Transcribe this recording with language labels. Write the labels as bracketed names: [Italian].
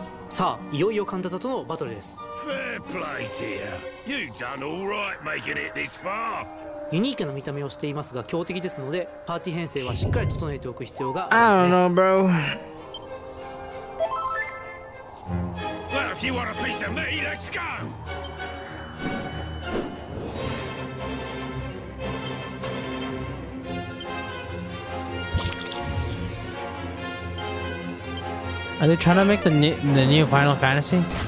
[Japanese] さあ、いよいよカンダタとのバトルです。 [English] Fair play to you. You've done all right making it this far. [Japanese] ユニークな見た目をしていますが強敵ですので、パーティー編成はしっかり整えておく必要がありますね。 [English] I don't know, bro. Well, if you want a piece of me, let's go. Are they trying to make the new Final Fantasy?